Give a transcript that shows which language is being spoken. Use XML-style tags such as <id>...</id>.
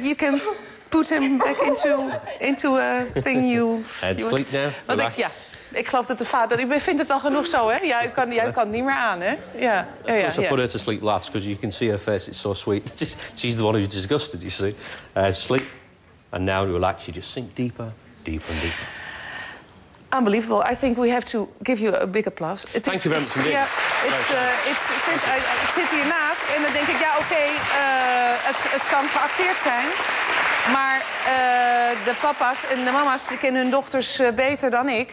<en>You can put him back into a thing you... And you sleep now, want relax.</en> <nl>Ik geloof dat de vader... Ik vind het wel genoeg zo, hè? Ja, jij kan het niet meer aan, hè? Ja.</nl> <en>Also put her to sleep last, because you can see her face. It's so sweet. She's the one who's disgusted, you see. Sleep. And now relax. You just sink deeper, deeper and deeper. Unbelievable. I think we have to give you a big applause. Thank you very much.</en> <nl>Ik zit hiernaast en dan denk ik, ja, oké, het kan geacteerd zijn. Maar de papa's en de mama's kennen hun dochters beter dan ik.</nl>